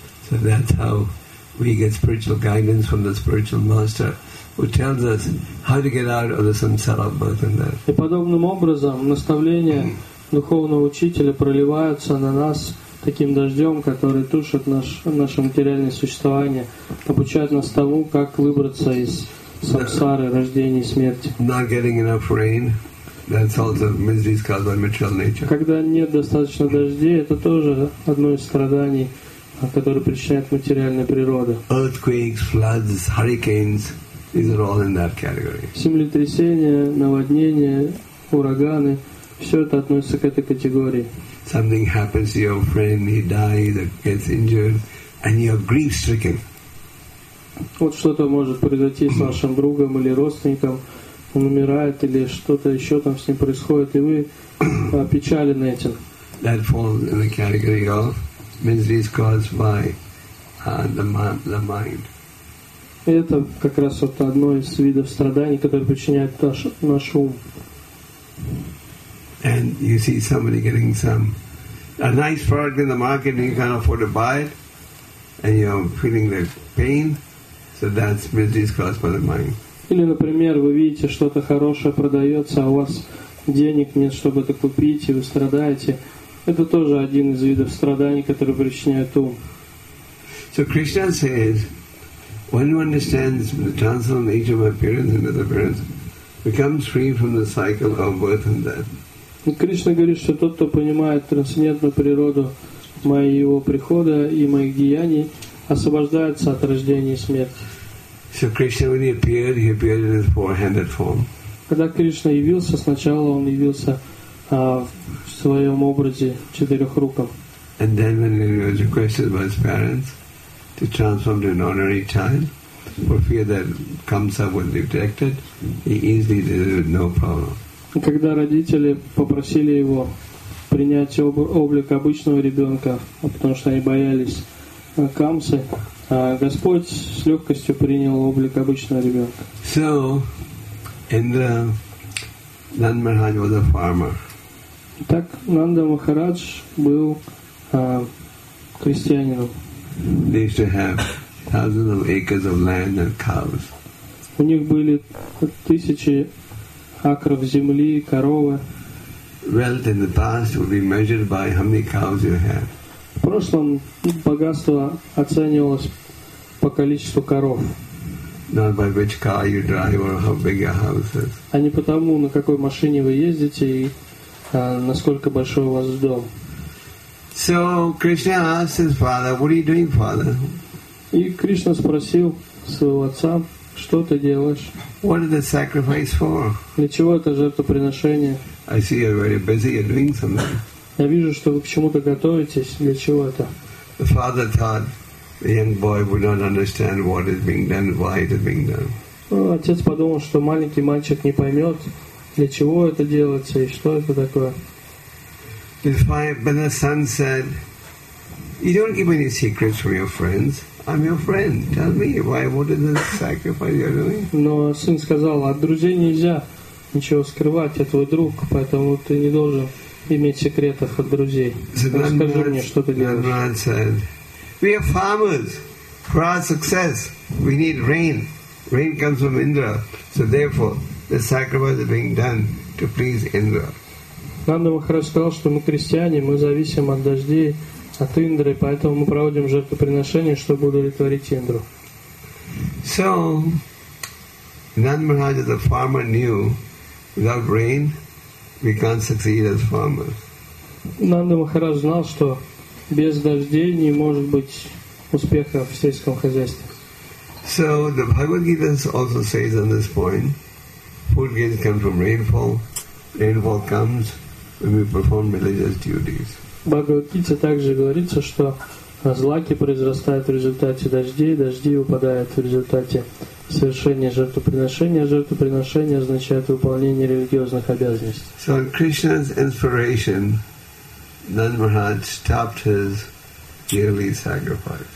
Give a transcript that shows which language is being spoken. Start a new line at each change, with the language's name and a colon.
English: So that's how we get spiritual guidance from the spiritual master, who tells us how to get out of the samsara birth and death.
Russian: И подобным образом наставления духовного учителя проливаются на нас таким дождем, который тушит наше материальное существование, обучает нас тому, как выбраться из самсары, рождения и смерти.
English: Not getting enough rain, that's also misery caused by material nature.
Russian: Когда нет достаточно дождей, это тоже одно из страданий, которое причиняет материальная природа.
English: Earthquakes, floods, hurricanes, these are all in that category.
Russian: Землетрясения, наводнения, ураганы, все это относится к этой категории.
English: Something happens to your friend, he dies, gets injured, and you're grief-stricken.
Russian: Вот что-то может произойти с вашим другом или родственником, он умирает или что-то еще там с ним происходит, и вы опечалены этим.
English: That falls in the category of misery is caused by the mind.
Russian: Это как раз вот одно из видов страданий, которые причиняет наш ум.
English: And you see somebody getting a nice product in the market and you can't afford to buy it, and you're feeling the pain, so that's misery is caused by the mind.
Russian: Или, например, вы видите, что-то хорошее продается, а у вас денег нет, чтобы это купить, и вы страдаете. Это тоже один из видов страданий, которые причиняют ум.
English: So Krishna says, when you understand the transcendental nature of appearance and disappearance, becomes free from the cycle of birth and death.
Russian: Кришна говорит, что тот, кто понимает трансцендентную природу моего прихода и моих деяний, освобождается от рождения и смерти.
English: So Krishna, when he appeared in his four-handed form.
Russian: Когда Кришна явился, сначала он явился в своем образе четырехруком.
English: And then when he was requested by his parents to transform to an ordinary child, for fear that Kamsa would detect it, he easily did it with no problem.
Russian: Когда родители попросили его принять облик обычного ребенка, потому что они боялись Камсы, Господь с легкостью принял облик обычного ребенка.
English: So, Indra, Nanda Maharaj was a farmer.
Russian: Так, Нанда Махарадж был крестьянином.
English: They used to have thousands of acres of land and cows.
Russian: У них были тысячи акров земли, коровы.
English: Wealth in the past would be measured by how many cows you had.
Russian: В прошлом богатство оценивалось по количеству коров.
English: Not by which car you drive or how big your house is.
Russian: А не потому, на какой машине вы ездите и насколько большой у вас дом.
English: So Krishna asked his father, "What are you doing, father?"
Russian: И Кришна спросил своего отца, что ты делаешь?
English: What is the sacrifice for?
Russian: Для чего это жертвоприношение?
English: I see you're very busy, you're doing something.
Russian: Я вижу, что вы к чему-то готовитесь. Для чего это?
English: The father thought the young boy would not understand what is being done, why it is being done.
Russian: Отец подумал, что маленький мальчик не поймет, для чего это делается и что это такое.
English: But the son said, "You don't keep any secrets from your friends. I'm your friend. Tell me why. What is the sacrifice you're doing?"
Russian: Но сын сказал: "От друзей нельзя ничего скрывать. Это твой друг, поэтому ты не должен иметь секретов от друзей. Расскажи мне, что ты делаешь."
English: The man said, "We are farmers. For our success, we need rain. Rain comes from Indra. So therefore, the sacrifice is being done to please Indra."
Russian: Нанда Махарадж сказал, что мы крестьяне, мы зависим от дождей, от Индры, поэтому мы проводим жертвоприношение, чтобы удовлетворить Индру.
English: So, Nanda Maharaj, as a farmer, knew without rain we can't succeed as farmers.
Russian: Нанда Махарадж знал, что без дождей не может быть успеха в сельском хозяйстве.
English: So, the Bhagavad Gita also says on this point, food gains come from rainfall. Rainfall comes when we perform religious duties.
Russian: В Бхагавад-гите также говорится, что злаки произрастают в результате дождей, дожди выпадают в результате совершения жертвоприношения, а жертвоприношение означает выполнение религиозных обязанностей.
English: So on Krishna's inspiration, Nanda Maharaj stopped his yearly sacrifice.